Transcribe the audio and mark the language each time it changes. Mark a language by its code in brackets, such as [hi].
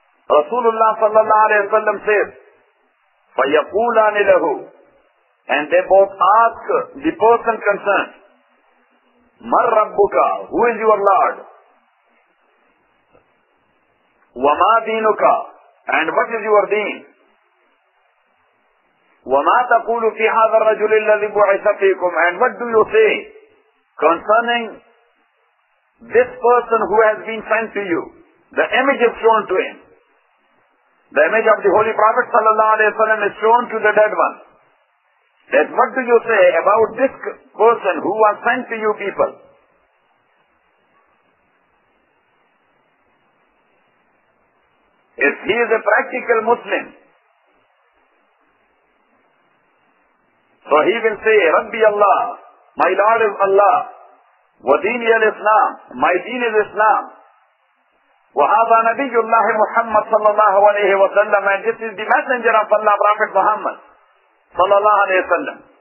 [ar] رسول اللہ صلی اللہ علیہ وسلم [en] said, [ar] فَيَقُولَانِ لَهُ. [en] And they both ask the person concerned, [ar] مَرْ رَبُّكَ. [en] Who is your Lord? [ar] وَمَا دِينُكَ. [en] And what is your deen? [ar] وَمَا تَقُولُ فِي هَذَا الرَّجُلِ الَّذِي بُعِثَ فِيكُمْ. [en] And what do you say concerning this person who has been sent to you? The image is shown to him. The image of the Holy Prophet sallallahu alayhi wa sallam is shown to the dead one. That what do you say about this person who was sent to you people? If he is a practical Muslim, so he will say, [ar] Rabbi Allah, [en] my Lord is Allah. [ar] وديني الإسلام, [en] my deen is Islam. [ar] وهذا نبي الله محمد صلى الله عليه وسلم, [en] and this is the messenger of Allah, Prophet Muhammad صلى الله عليه وسلم.